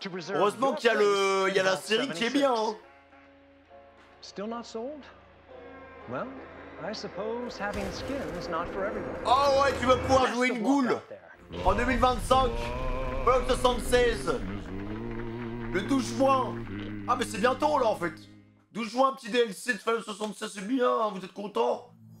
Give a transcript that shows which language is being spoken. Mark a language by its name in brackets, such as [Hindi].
[French] Heureusement qu'il y a la série qui est bien. [English] Still not sold? Well, I suppose having skin is not for everyone. [French] Oh ouais, tu vas pouvoir jouer une ghoul en 2025. Fallout 76. Le 12 juin. Ah mais c'est bientôt là en fait. 12 juin, petit DLC de Fallout 76, c'est bien, hein, vous êtes contents?